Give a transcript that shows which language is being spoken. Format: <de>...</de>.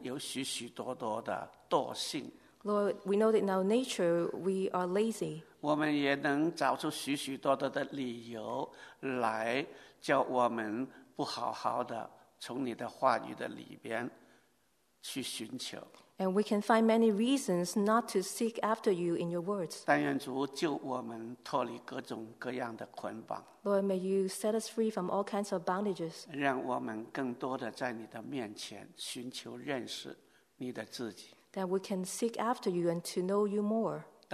<zh>主啊,我们知道我们的天然有许许多多的惰性。</zh> <en>Lord, we know that in our nature, we are lazy.</en> <zh>我们也能找出许许多多的理由来叫我们不好好的从你的话语的里边去寻求。</zh> <en>And we can find many reasons not to seek after you in your words.</en> <zh>但愿主救我们脱离各种各样的捆绑。</zh> <en>Lord, may you set us free from all kinds of bondages.</en> <zh>让我们更多地在你的面前寻求认识你的自己。</zh> <en>That we can seek after you and to know you more.</en>